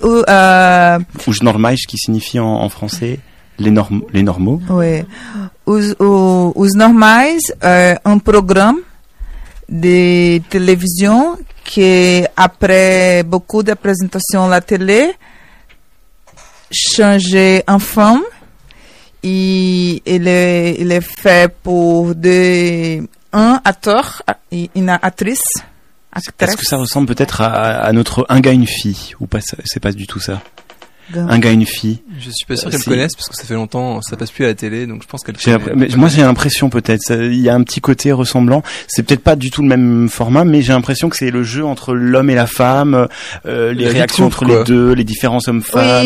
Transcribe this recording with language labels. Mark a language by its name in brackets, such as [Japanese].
[French] Ou Jnormaj qui signifie en français les normaux. Oui. Ou Jnormaj, un programme de télévision qui, après beaucoup de présentations à la télé, change en femme. [Portuguese] E ele é feito por um ator e uma atriz. [French] Est-ce que ça ressemble peut-être à notre Un gars, une fille? Ou pas, c'est pas du tout ça? Un gars, une fille. Je suis pas sûr qu'elle connaisse, parce que ça fait longtemps, ça passe plus à la télé, donc je pense qu'elle connaît. Mais moi, j'ai l'impression peut-être, il y a un petit côté ressemblant. C'est peut-être pas du tout le même format, mais j'ai l'impression que c'est le jeu entre l'homme et la femme, les réactions entre les deux, les différences hommes-femmes.